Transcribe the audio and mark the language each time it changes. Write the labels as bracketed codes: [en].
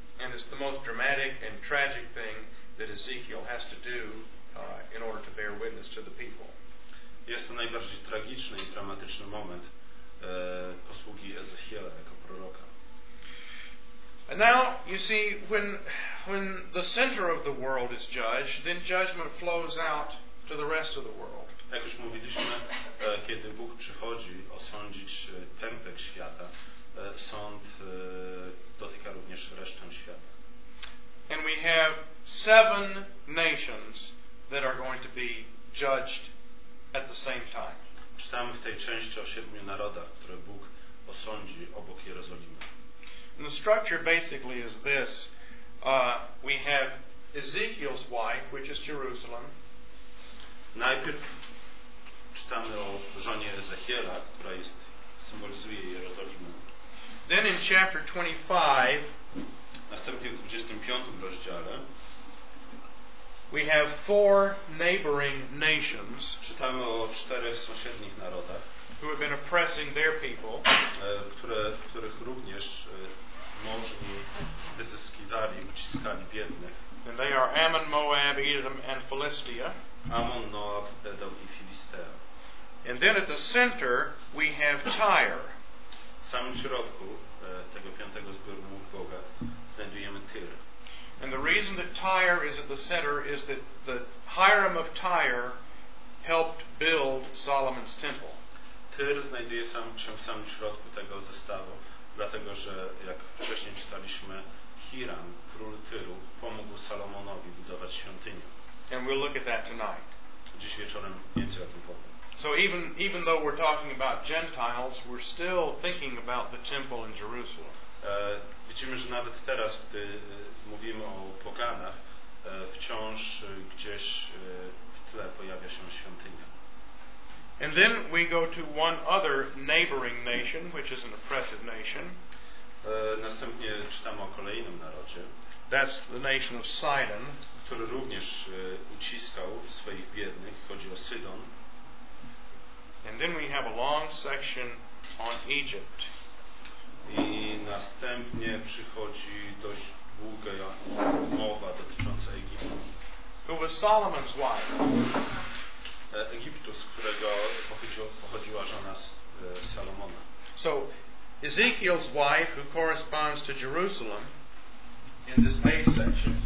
[en] And it's the most dramatic and tragic thing that Ezekiel has to do in order to bear witness to the people. [pl] Jest to najbardziej tragiczny i dramatyczny moment posługi Ezechiela jako proroka. [en] And now you see, when the center of the world is judged, then judgment flows out to the rest of the world. [pl] Jak już mówiliśmy, kiedy Bóg przychodzi osądzić pępek świata, sąd dotyka również resztę świata. [en] And we have seven nations that are going to be judged at the same time. [pl] Czytamy w tej części o siedmiu narodach, które Bóg osądzi obok Jerozolimy. [en] And the structure basically is this. We have Ezekiel's wife, which is Jerusalem. [pl] Najpierw czytamy o żonie Ezechiela, która jest, symbolizuje Jerozolimę. [en] Then in chapter 25, [pl] następnie w 25 rozdziale, [en] we have four neighboring nations, [pl] czytamy o czterech sąsiednich narodach, [en] who have been oppressing their people, [pl] których również możni wyzyskiwali, uciskali biednych. [en] And they are Ammon, Moab, Edom, and Philistia. [pl] Ammon, Moab, Edom i Filistea. [en] And then at the center we have Tyre. [pl] W samym środku tego piątego zbioru Mów Boga znajdujemy Tyr. [en] And the reason that Tyre is at the center is that the Hiram of Tyre helped build Solomon's temple. [pl] Tyr znajduje się w samym środku tego zestawu, dlatego że, jak wcześniej czytaliśmy, Hiram, król Tyru, pomógł Salomonowi budować świątynię. [en] And we'll look at that tonight. [pl] Dziś wieczorem więcej o tym powiem. [en] So even though we're talking about Gentiles, we're still thinking about the temple in Jerusalem. [pl] Widzimy, że nawet teraz, gdy mówimy o poganach, wciąż gdzieś w tle pojawia się świątynia. [en] And then we go to one other neighboring nation, which is an oppressive nation. [pl] Następnie czytamy o kolejnym narodzie. [en] That's the nation of Sidon, [pl] który również uciskał swoich biednych. Chodzi o Sydon. [en] And then we have a long section on Egypt. [pl] I następnie przychodzi dość długa mowa dotycząca Egiptu. [en] Who was Solomon's wife? [pl] Egiptu, z którego pochodziła żona Salomona. [en] So Ezekiel's wife, who corresponds to Jerusalem, in this A section.